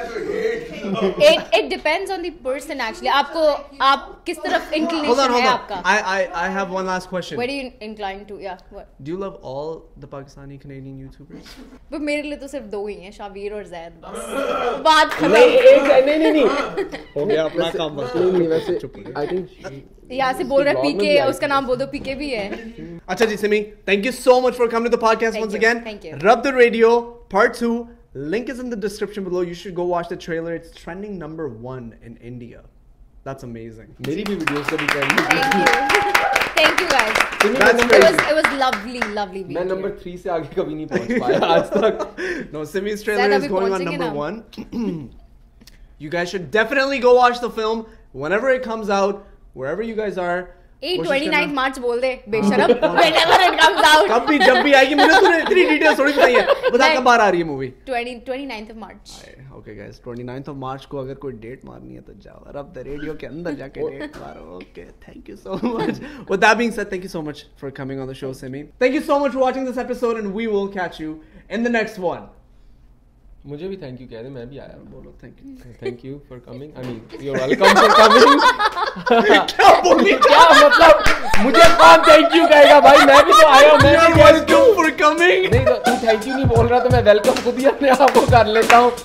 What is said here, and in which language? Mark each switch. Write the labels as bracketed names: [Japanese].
[English] It depends on the person actually. [Hindi] आपको आप किस तरफ inclination है आपका? [English] I have one last question. Where do you incline to? Yeah. What? Do you love all the Pakistani Canadian YouTubers? [Hindi] But मेरे लिए तो सिर्फ दो ही हैं, शावीर और ज़ैद. बात खत्म. नहीं. हो गया अपना काम बस. नहीं वैसे. [English] I think. [Hindi] यहाँ से बोल रहा है पीके, उसका नाम बोल दो पीके भी है. अच्छा जी [English] Simi, thank you so much for coming to the podcast once again. Thank you. Rub the radio part 2. Link is in the description below. You should go watch the trailer. It's trending number 1 in India. That's amazing. [Hindi] Meri bhi videos kabhi [English] kar liye. Thank you. Thank you guys. It was lovely being. [Hindi] Main number 3 se aage kabhi nahi pahunch paya aaj tak. [English] No, Simi's trailer is going on number 1. You guys should definitely go watch the film whenever it comes out, wherever you guys are. [Hindi] 29th मार्च बोल दे बेशरम. [English] Whenever it comes out. [Hindi] कब भी जब भी आएगी. मैंने तुझे इतनी डिटेल्स थोड़ी बताई है. बता कब आ रही है movie. [English] 29th of March. Okay guys, 29th of March [Hindi] को अगर कोई डेट मारनी है तो जाओ अब द रेडियो के अंदर जाके डेट मारो. [English] Okay, thank you so much. With that being said, thank you so much for coming on the show, Simi. Thank you so much for watching this episode and we will catch you in the next one. [Hindi] मुझे भी thank you कह रहे मैं भी आया. बोलो [English] Thank you for coming. I mean you are welcome for coming. [Hindi] क्या बोली क्या मतलब मुझे कौन थैंक यू कहेगा भाई. मैं भी तो आया हूं. मैं [English] You are welcome for coming. [Hindi] नहीं तो तू थैंक यू नहीं बोल रहा तो मैं वेलकम खुद ही अपने आप को कर लेता हूं.